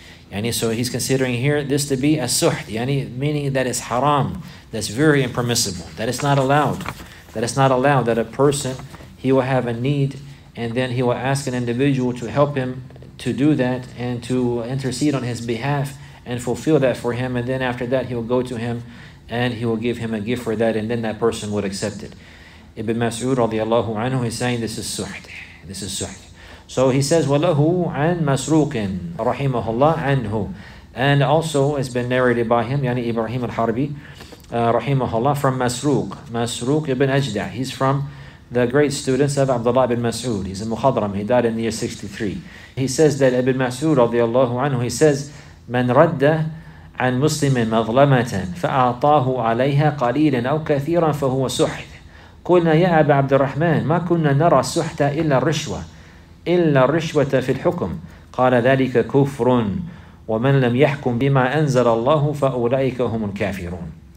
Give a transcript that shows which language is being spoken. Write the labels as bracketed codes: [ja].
[en] And so he's considering here this to be as-suht, yani meaning that it's haram, that's very impermissible, that it's not allowed, that a person, he will have a need, and then he will ask an individual to help him to do that, and to intercede on his behalf, and fulfill that for him, and then after that he will go to him, and he will give him a gift for that, and then that person would accept it. Ibn Mas'ud radiallahu anhu is saying this is suht. So he says, [ar] وَلَهُ عَنْ مَسْرُوقٍ رَحِمَهُ اللَّهُ عَنْهُ. [en] And also has been narrated by him, yani Ibrahim al-Harbi, [ar] رَحِمَهُ اللَّهُ, [en] from Masruq. Masruq ibn Ajda'. He's from the great students of Abdullah ibn Mas'ud. He's a Mukhadram. He died in the year 63. He says that Ibn Mas'ud radiallahu anhu, he says, [ar] مَنْ رَدَّ عَنْ مُسْلِمٍ مَظْلَمَةً فَأَعْطَاهُ عَلَيْهَا قَلِيلًا أَوْ كَثِيرًا فَهُوَ سُحْت. قُلْنَا يَا أَبَا عَبْدِ الرَّحْمَنِ مَا كُنَّا نَرَى السُحْتَ إِلَّا الرِّشْوَةَ إلا الرشوة في الحكم قال ذلك كفر ومن لم يحكم بما أنزل الله فأولئك هم الكافرون.